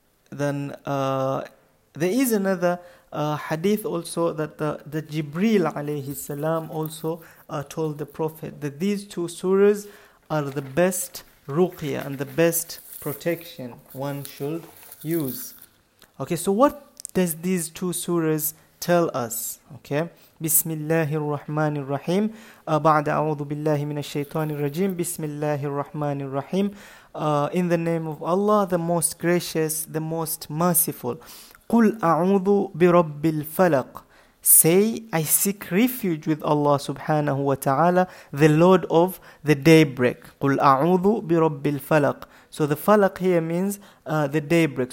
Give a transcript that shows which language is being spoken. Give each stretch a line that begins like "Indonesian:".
English: Then there is another hadith also that Jibreel alayhi salam also told the Prophet that these two surahs are the best ruqya and the best protection one should use. Okay, so what does these two surahs tell us? Okay, Bismillahir Rahmanir Rahim.
Arabic: بعد أعوذ بالله من الشيطان الرجيم Bismillahir Rahmanir Rahim.
English: In the name of Allah, the Most Gracious, the Most Merciful.
Arabic: قل أعوذ برب الفلق.
English: Say, I seek refuge with Allah Subhanahu wa Taala, the Lord of the Daybreak.
Arabic: قل أعوذ برب الفلق.
English: So the falaq here means the daybreak.